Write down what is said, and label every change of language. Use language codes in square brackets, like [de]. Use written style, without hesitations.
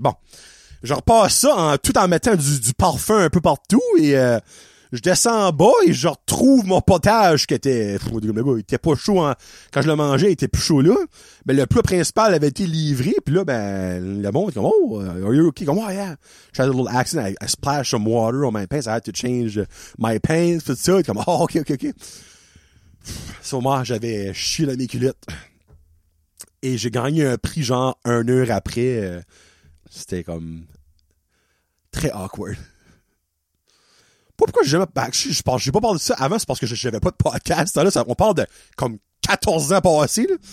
[fr] Bon, je repasse ça tout en mettant du parfum un peu partout et je descends en bas et je retrouve mon potage qui était, il était pas chaud quand je le mangeais, il était plus chaud là. Mais le plat principal avait été livré, puis là, ben, le monde est comme, [en] oh, are you okay? Comme, oh, yeah. Tried a little accident, I splashed some water on my pants, I had to change my pants, [fr] pis tout ça. [en] Comme, oh, ok. [fr] So, moi, j'avais chié dans mes culottes. Et j'ai gagné un prix, genre, une heure après. C'était comme, très awkward. Pourquoi j'ai jamais... Ben, j'ai pas parlé de ça avant, c'est parce que j'avais pas de podcast. Là, on parle de, comme, 14 ans passés.